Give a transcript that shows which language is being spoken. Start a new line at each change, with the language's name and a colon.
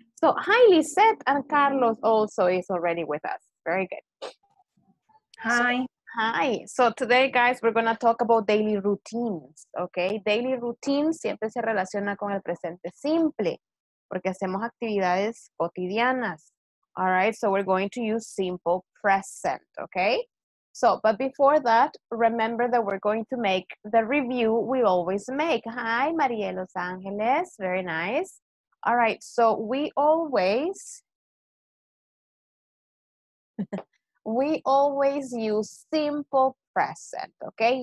English: So hi, Lisette, and Carlos also is already with us. Very good. Hi. Hi. So today, guys, we're going to talk about daily routines, okay?
Spanish: Daily routines siempre se relaciona con el presente simple, porque hacemos actividades cotidianas.
English: All right, so we're going to use simple present, okay? So, but before that, remember that we're going to make the review we always make. Hi, Maria Los Angeles. Very nice. All right, so we always use simple present, okay?